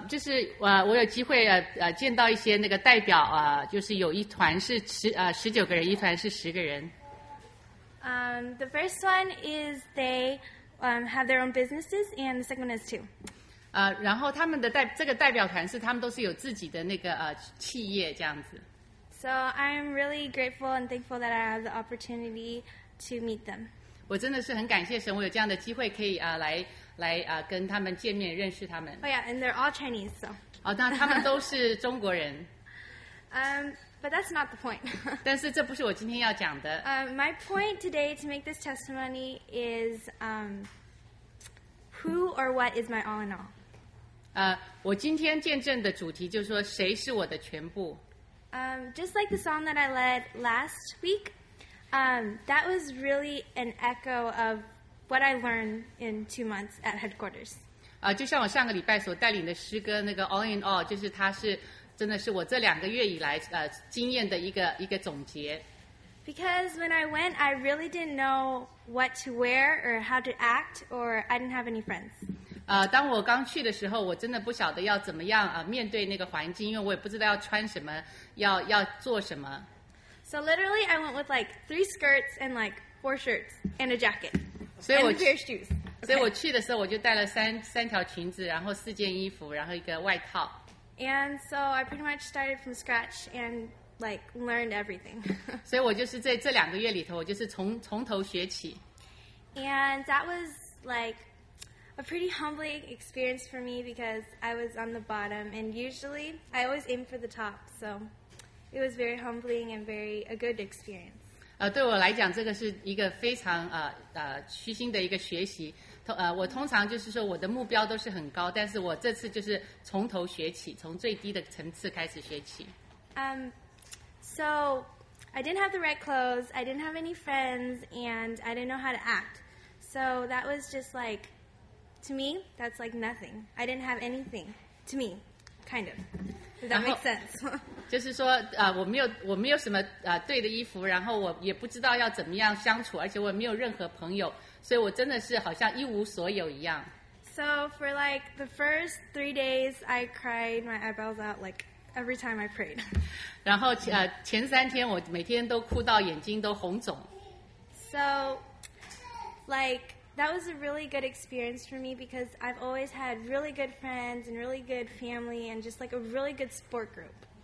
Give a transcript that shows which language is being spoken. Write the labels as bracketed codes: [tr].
[zh] 就是我有机会见到一些那个代表啊，就是有一团是19个人，一团是10个人。 [en] The first one is they have their own businesses, and the second is 2. [zh] 然后他们的代表团是他们都是有自己的那个企业这样子。 [en] So I'm really grateful and thankful that I have the opportunity to meet them. [zh] 我真的是很感谢神，我有这样的机会可以来跟他们见面，认识他们。 [en] Oh yeah, and they're all Chinese, so. [zh] 哦，那他们都是中国人。 [en] But that's not the point. [zh] 但是这不是我今天要讲的。 [en] My point today to make this testimony is who or what is my all in all? [zh] 我今天见证的主题就是说谁是我的全部。 [en] Just like the song that I led last week, that was really an echo of what I learned in 2 months at headquarters. [zh] 就像我上个礼拜所带领的诗歌那个 All in All, 就是它是真的是我这两个月以来经验的一个总结。 [en] Because when I went, I really didn't know what to wear or how to act, or I didn't have any friends. [zh] 当我刚去的时候，我真的不晓得要怎么样面对那个环境，因为我也不知道要穿什么，要做什么。 [en] So literally, I went with like 3 skirts and like 4 shirts and a jacket. [zh] 所以我 [en] and a pair of shoes.、Okay. [zh] 所以我去的时候，我就带了三条裙子，然后4件衣服，然后一个外套。 [en] And so I pretty much started from scratch and like learned everything. [zh] 所以我就是在这两个月里头，我就是从头学起。 [en] And that was like. A pretty humbling experience for me because I was on the bottom, and usually I always aim for the top. So it was very humbling and very a good experience. [zh] 对我来讲，这个是一个非常虚心的一个学习。我通常就是说我的目标都是很高，但是我这次就是从头学起，从最低的层次开始学起。 [en] So I didn't have the right clothes, I didn't have any friends, and I didn't know how to act. So that was just like. To me, that's like nothing. I didn't have anything. To me, kind of. Does that make sense? [zh] 就是说，我没有什么对的衣服，然后我也不知道要怎么样相处，而且我没有任何朋友，所以我真的是好像一无所有一样。 [en] So for like the first 3 days, I cried my eyeballs out like every time I prayed. [zh] 然后前三天我每天都哭到眼睛都红肿。 [en] So, like. That was a really good experience for me because I've always had really good friends and really good family and just like a really good support group.